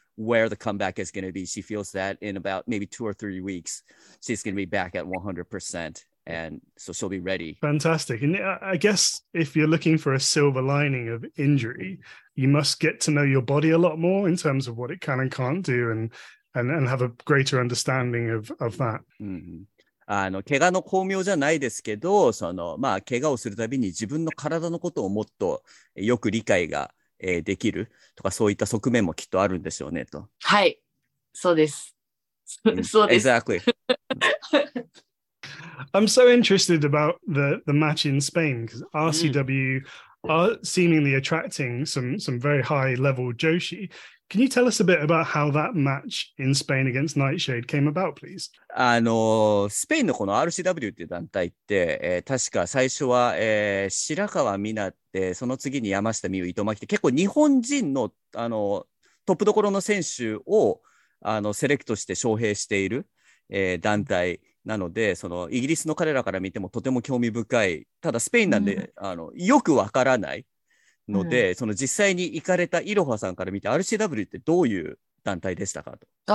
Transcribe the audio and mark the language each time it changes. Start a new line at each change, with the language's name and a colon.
English: where the comeback is going to be. She feels that in about maybe 2 or 3 weeks, she's going to be back at 100%. And so she'll be ready. Fantastic. And I guess if you're looking for a silver lining of injury, you must get to know your body a lot more in terms of what it can and can't do and have a greater understanding of that. Mm-hmm.
Japanese: 怪我の巧妙じゃないですけど、その、まあ、怪我をするたびに自分の体のことをもっとよく理解ができるとかそういった側面もきっとあるんでしょうねと。はい、そうです。そうです。
English: Exactly. I'm so interested about the match in Spain because RCW、mm. are seemingly attracting some very high level Joshi. Can you tell us a bit about how that match in Spain against Nightshade came about, please?
Japanese: スペインのこの RCW っていう団体って、確か最初は、白川美奈でその次に山下美夢、伊藤真希で結構日本人 の, トップどころの選手をセレクトして招聘している、団体なのでそのイギリスの彼らから見てもとても興味深いただスペインなんで、うん、よくわからないので、うん、その実際に行かれたイロハさんから見て RCW ってどういう団体でしたかと